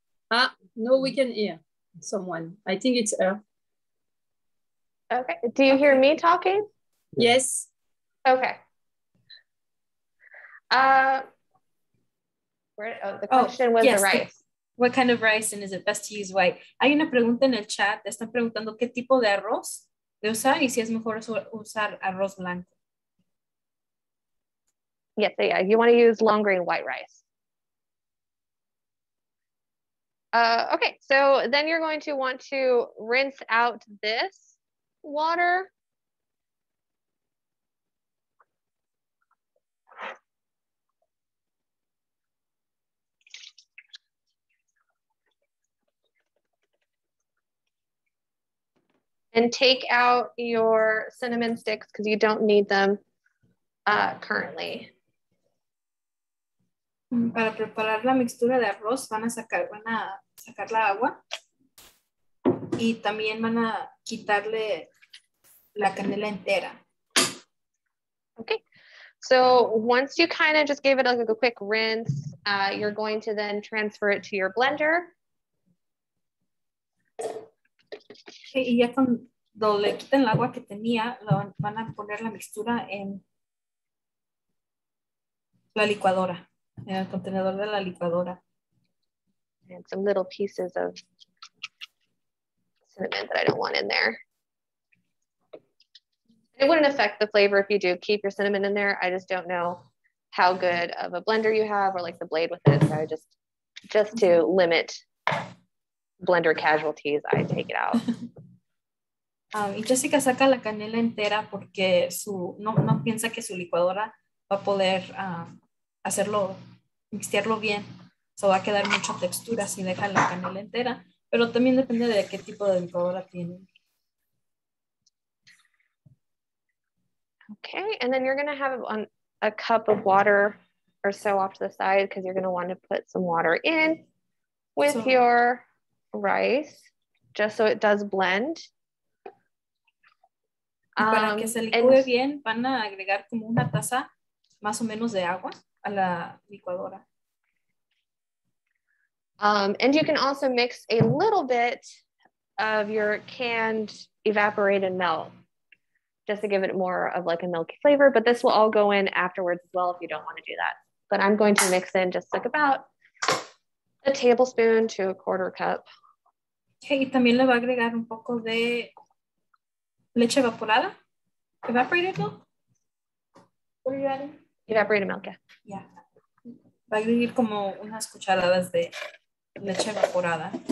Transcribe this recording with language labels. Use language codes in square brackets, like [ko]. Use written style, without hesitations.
[en] Ah, no, we can hear someone. I think it's her. Okay. Do you hear me talking? Yes. Okay. The question was the rice. What kind of rice and is it best to use white? [es] Hay una pregunta en el chat. Están preguntando qué tipo de arroz de usar y si es mejor usar arroz blanco. [en] Yes, yeah, you want to use long grain white rice. Okay, so then you're going to want to rinse out this water. And take out your cinnamon sticks because you don't need them currently. [es] Para preparar la mixtura de arroz, van a sacar la agua y también van a quitarle la canela entera. [en] Okay. So once you kind of just gave it like a quick rinse, you're going to then transfer it to your blender. Okay. [es] Cuando le quiten el agua que tenía, van a poner la mixtura en la licuadora, en el contenedor de la licuadora. [en] And some little pieces of cinnamon that I don't want in there. It wouldn't affect the flavor if you do keep your cinnamon in there. I just don't know how good of a blender you have or like the blade with it. So just to limit blender casualties, I take it out. [es] Y Jessica saca la canela entera porque no piensa que su licuadora va a poder hacerlo, mixtearlo bien. O sea, va a quedar mucha textura si deja la canela entera. Pero también depende de qué tipo de licuadora tiene. [en] Okay, and then you're going to have a cup of water or so off to the side because you're going to want to put some water in with your rice just so it does blend. [es] Para que se licue bien, van a agregar como una taza más o menos de agua a la licuadora. [en] And you can also mix a little bit of your canned evaporated milk just to give it more of like a milky flavor. But this will all go in afterwards as well if you don't want to do that. But I'm going to mix in just like about a tablespoon to a quarter cup. [es] Okay, y también le va a agregar un poco de leche evaporada, [en] evaporated milk. What are you adding? Evaporated milk, yeah. Yeah. [es] Va a agregar como unas cucharadas de leche evaporada.